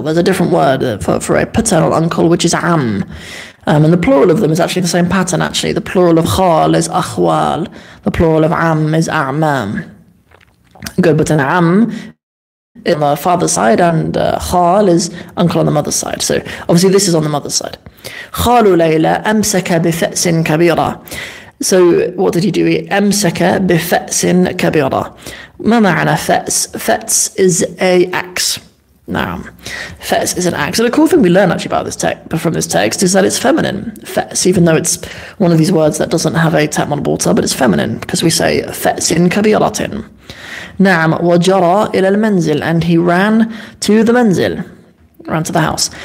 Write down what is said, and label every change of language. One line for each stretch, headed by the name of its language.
English: There's a different word for a paternal uncle, which is عم. And the plural of them is actually the same pattern, actually. The plural of خال is أخوال. The plural of عم is أعمام. Good, but an عم on the father's side, and خال is uncle on the mother's side. So obviously this is on the mother's side.
Arabic: خال ليلى أمسك بفأس كبيرة.
English: So what did he do? He
Arabic: أمسك بفأس كبيرة. ما معنى فأس? فأس
English: is a axe. Now, fes is an axe. And a cool thing we learn actually about this text is that it's feminine. Fes, even though it's one of these words that doesn't have a tap on water, but it's feminine because we say
Arabic: fes in kabiratin.
English: Naam,
Arabic: wajara ila al-manzil,
English: and he ran to the manzil, ran to the house.